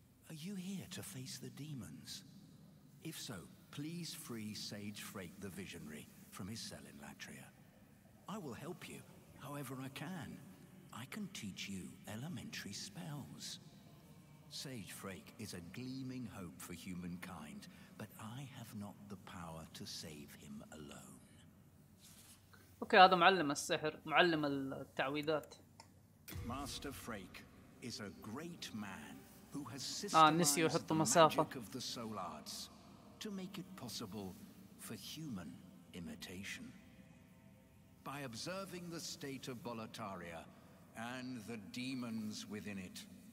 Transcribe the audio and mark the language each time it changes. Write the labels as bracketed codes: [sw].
[en] Are you here to face the demons? If so, please free Sage Freight the Visionary from his cell in Latria. I will help you however I can. I can teach you elementary spells. Sage Freyk is a gleaming hope for humankind, but I have not the power to save him alone. [ar] Okay, هذا معلم السحر، معلم التعويذات. [en] Master Freyk is a great man who has systemized the magic of the soul arts to make it possible for human imitation. By observing the state of Boletaria, and the demons within it.